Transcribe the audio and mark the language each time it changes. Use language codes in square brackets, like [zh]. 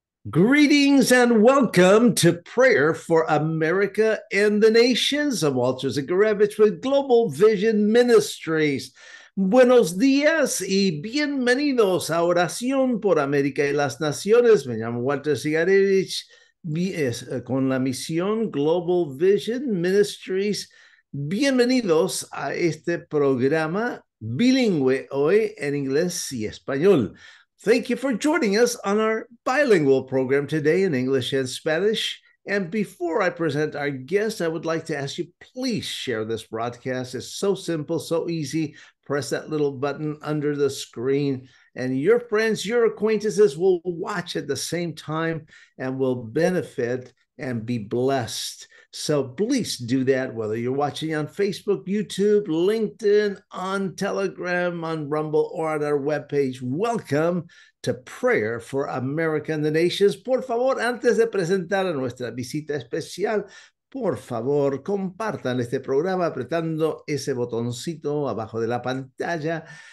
[en] Greetings and welcome to Prayer for America and the Nations. I'm Walter Zygarewicz with Global Vision Ministries. [es] Buenos días y bienvenidos a Oración por América y las Naciones. Me llamo Walter Zygarewicz, con la misión Global Vision Ministries. Bienvenidos a este programa bilingüe hoy en inglés y español. [en] Thank you for joining us on our bilingual program today in English and Spanish. And before I present our guest, I would like to ask you, please share this broadcast. It's so simple, so easy. Press that little button under the screen, and your friends, your acquaintances will watch at the same time and will benefit and be blessed. So please do that, whether you're watching on Facebook, YouTube, LinkedIn, on Telegram, on Rumble, or on our webpage. Welcome to Prayer for America and the Nations. [es] Por favor, antes de presentar a nuestra visita especial, por favor, compartan este programa apretando ese botoncito abajo de la pantalla.